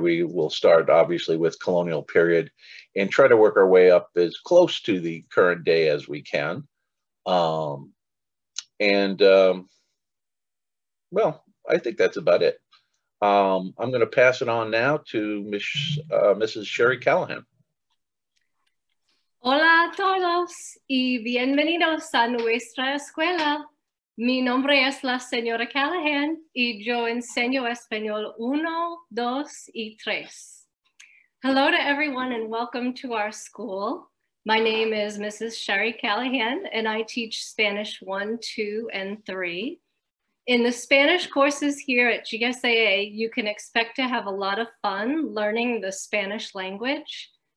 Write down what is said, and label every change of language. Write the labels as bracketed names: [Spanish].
[English] We will start, obviously, with colonial period and try to work our way up as close to the current day as we can. Well, I think that's about it. I'm going to pass it on now to Mrs. Sherry Callahan. [Spanish] Hola a todos y bienvenidos a nuestra escuela. Mi nombre es la señora Callahan y yo enseño español 1, 2, y 3. [English] Hello to everyone and welcome to our school. My name is Mrs. Sherry Callahan and I teach Spanish 1, 2, and 3. In the Spanish courses here at GSAA, you can expect to have a lot of fun learning the Spanish language.